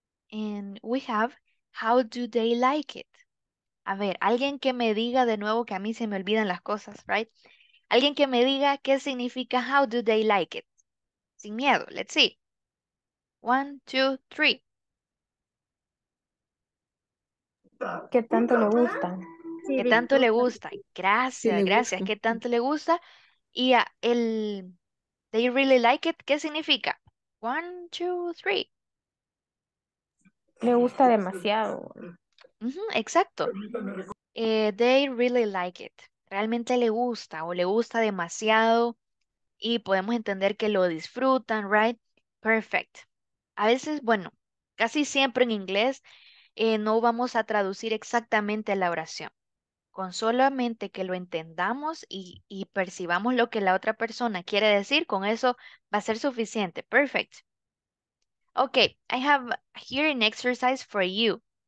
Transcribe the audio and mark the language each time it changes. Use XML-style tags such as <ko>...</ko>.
<en>And we have, how do they like it?</en> <es>A ver, alguien que me diga de nuevo, que a mí se me olvidan las cosas, right? Alguien que me diga qué significa</es> <en>how do they like it.</en> <es>Sin miedo,</es> <en>let's see.</en> <es>1, 2, 3. ¿Qué tanto le gusta? ¿Qué tanto le gusta? Gracias, gracias. ¿Qué tanto le gusta? Y el</es> <en>they really like it,</en> <es>¿qué significa? 1, 2, 3. Le gusta demasiado. Exacto.</es> <en>They really like it.</en> <es>Realmente le gusta o le gusta demasiado. Y podemos entender que lo disfrutan, right? Perfect. A veces, bueno, casi siempre en inglés no vamos a traducir exactamente la oración. Con solamente que lo entendamos y percibamos lo que la otra persona quiere decir, con eso va a ser suficiente.</es> <en>Perfect. Okay, I have here an exercise for you.</en>